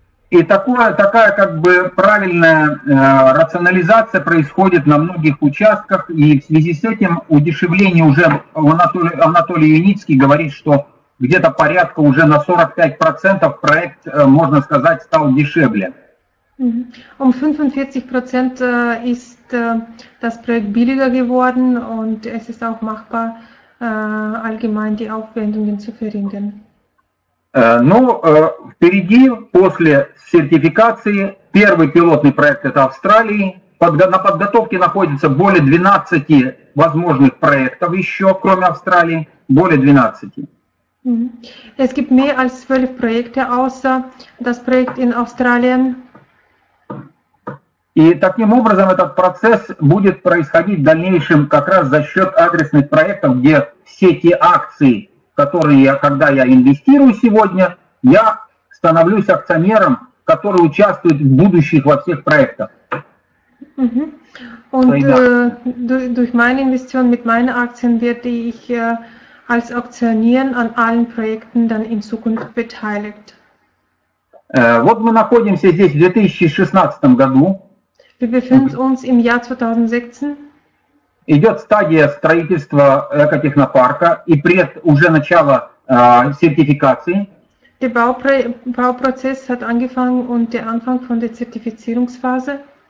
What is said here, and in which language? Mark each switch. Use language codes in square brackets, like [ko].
[ru] И такая как бы правильная рационализация происходит на многих участках, и в связи с этим удешевление уже, Анатолий Юницкий говорит, что где-то порядка уже на 45% проект, можно сказать, стал дешевле. [de] Um 45% ist das Projekt billiger geworden und es ist auch machbar, allgemein die Aufwendungen zu verringern. [ru] Ну, впереди, после сертификации, первый пилотный проект это Австралии. На подготовке находится более 12 возможных проектов еще, кроме Австралии, более 12. [de] Es gibt mehr als 12 Projekte, außer das Projekt in Australien. [ru] И таким образом этот процесс будет происходить в дальнейшем как раз за счет адресных проектов, где все те акции, которые я, когда я инвестирую сегодня, я становлюсь акционером, который участвует в будущих во всех проектах. [de] Und durch meine Investition mit meinen Aktien werde ich als Aktionär an allen Projekten dann in Zukunft beteiligt. [ru] Вот мы находимся здесь в 2016 году. [de] Wir befinden uns im Jahr 2016. [ru] Идет стадия строительства экотехнопарка и пред уже начало сертификации. [de] Der Bauprozess hat angefangen und der Anfang von der Zertifizierungsphase.